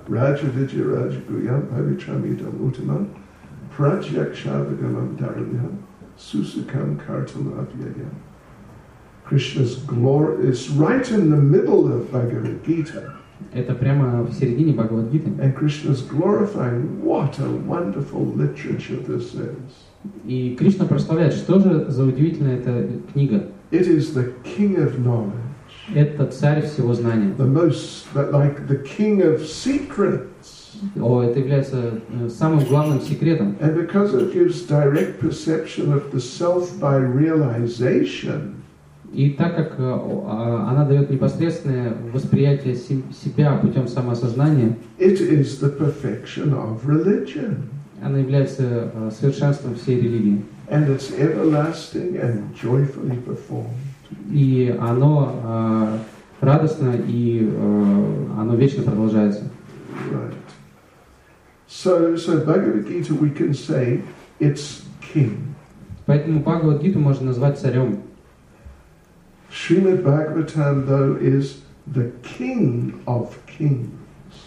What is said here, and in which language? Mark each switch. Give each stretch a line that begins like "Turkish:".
Sanskrit: Раджа Виджи Раджа Гуям Павичамидам Утаман Праджьякшавагамам Дараньям Сусукам Картам Авьяям.
English: Krishna's glory is right in the middle of Bhagavad Gita.
Russian: Это прямо в середине Бхагавад-гиты.
English: And Krishna's glorifying, what a wonderful literature this is.
Russian: И Кришна прославляет, что же за удивительная эта книга.
English: It is the king of knowledge.
Russian: Это царь всего знания.
English: The most, but like the king of secrets.
Russian: О, это является самым главным секретом.
English: And because it gives direct perception of the self by realization.
Russian: И так как она дает непосредственное восприятие себя путем самоосознания,
English: it is the perfection of religion.
Russian: Она является совершенством всей религии.
English: And it's everlasting and joyfully performed. И оно радостно и оно вечно продолжается. Right. So Bhagavad Gita we can say it's king.
Russian: Поэтому Бхагавад Гиту можно назвать царем.
English: Srimad Bhagavatam, though, is the king of kings.